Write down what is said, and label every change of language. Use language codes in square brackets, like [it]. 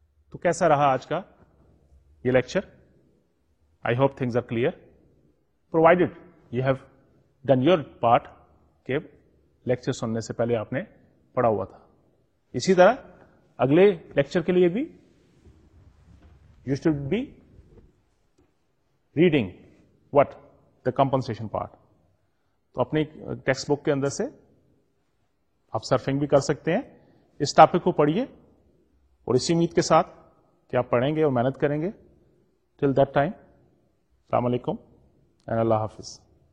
[ur] تو کیسا رہا آج کا یہ lecture? [en] I hope things are clear, provided you have done your part [ur] کہ لیکچر سننے سے پہلے آپ نے پڑھا ہوا تھا. اسی طرح اگلے لیکچر کے لیے بھی [en] You should be reading what the compensation part. [ur] تو اپنی ٹیکسٹ بک کے اندر سے آپ سرفنگ بھی کر سکتے ہیں, اس ٹاپک کو پڑھیے, اور اسی امید کے ساتھ کہ آپ پڑھیں گے اور محنت کریں گے. [en] till that time, [ur] السلام علیکم اینڈ اللہ حافظ.